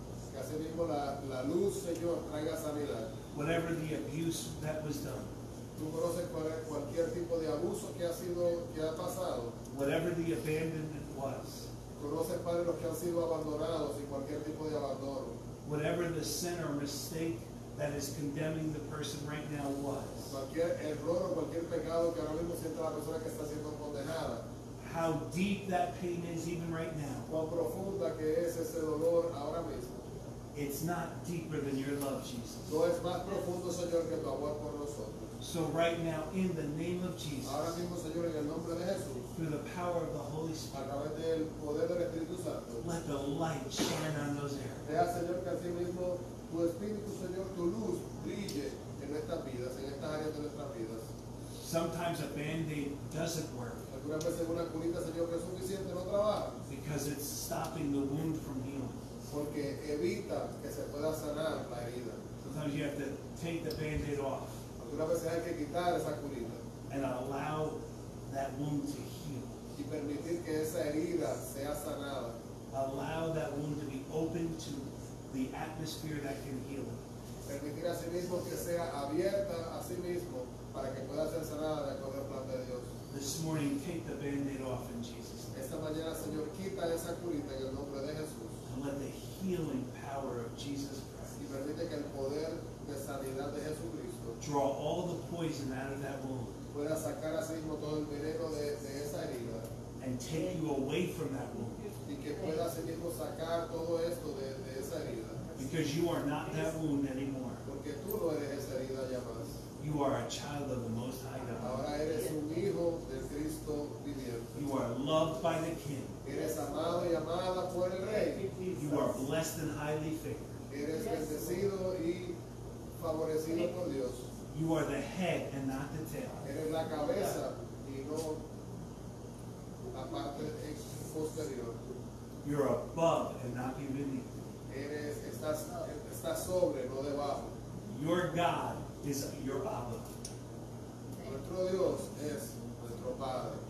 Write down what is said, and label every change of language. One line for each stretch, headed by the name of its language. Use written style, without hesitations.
Spanish: Que así mismo la luz, Señor, traiga sanidad.
English: Whatever the abuse that was done.
Spanish: Tú conoces cualquier tipo de abuso que ha pasado.
English: Whatever the abandonment was.
Spanish: Conoces, Padre, los que han sido abandonados y cualquier tipo de abandono.
English: Whatever the sin or mistake that is condemning the person right now was.
Spanish: Cualquier error o cualquier pecado que ahora mismo sienta la persona que está siendo condenada.
English: How deep that pain is even right now.
Spanish: Cuán profunda que es ese dolor ahora mismo.
English: It's not deeper than your love, Jesus.
Spanish: No es más profundo, Señor, que tu amor por nosotros.
English: So right now, in the name of Jesus,
Spanish: ahora mismo, Señor, en el nombre de Jesús,
English: through the power of the Holy Spirit,
Spanish: a través del poder del Espíritu Santo,
English: let the light shine on those areas.
Spanish: Deja, Señor, que así mismo tu Espíritu, Señor, tu luz brille en nuestras vidas, en estas áreas de nuestras vidas.
English: Sometimes a band-aid doesn't work.
Spanish: Algunas veces una curita, Señor, que es suficiente, no trabaja.
English: Because it's stopping the wound from healing.
Spanish: Porque evita que se pueda sanar la herida.
English: Sometimes you have to take the band-aid off.
Spanish: Algunas veces hay que quitar esa curita.
English: And allow that wound to heal.
Spanish: Y permitir que esa herida sea sanada.
English: Allow that wound to be open to the atmosphere that can heal it.
Spanish: Permitir a sí mismo que sea abierta a sí mismo para que pueda ser sanada de acuerdo al plan de Dios.
English: This morning, take the band-aid off in Jesus' name.
Spanish: Esta mañana, Señor, quita esa curita en el nombre de Jesús.
English: And let the healing power of Jesus Christ.
Spanish: Y permite que el poder de sanidad de Jesucristo
English: draw all the poison out of that wound.
Spanish: Pueda sacar a sí mismo todo el veneno de esa herida.
English: And take you away from that wound.
Spanish: Y que pueda a sí mismo sacar todo esto de esa herida.
English: Because you are not that wound anymore.
Spanish: Porque tú no eres esa herida ya más.
English: You are a child of the Most High God.
Spanish: Ahora eres un hijo del Cristo viviente.
English: You are loved by the King.
Spanish: Eres amado y amada por el Rey.
English: You are blessed and highly favored.
Spanish: Eres bendecido y favorecido por Dios.
English: You are the head and not the tail.
Spanish: Eres la cabeza y no la parte posterior.
English: You're above and not beneath.
Spanish: Estás sobre, no debajo.
English: Your God is your Abba.
Spanish: Nuestro Dios es nuestro Padre.